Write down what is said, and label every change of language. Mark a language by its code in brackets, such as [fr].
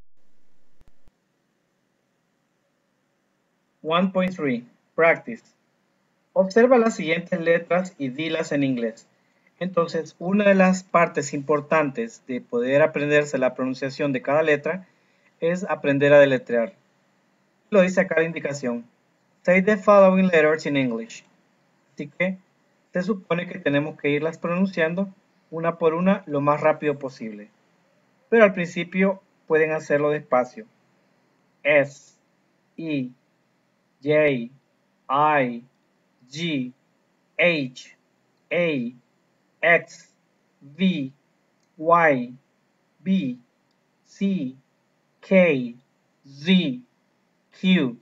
[en] . 1.3. Practice. [es] Observa las siguientes letras y dilas en inglés. Entonces, una de las partes importantes de poder aprenderse la pronunciación de cada letra es aprender a deletrear. Lo dice acá la indicación. [en] Say the following letters in English. [es] Así que se supone que tenemos que irlas pronunciando una por una lo más rápido posible. Pero al principio pueden hacerlo despacio. [en] S, E, J, I, G, H, A, X, V, Y, B, C, K, Z, Q.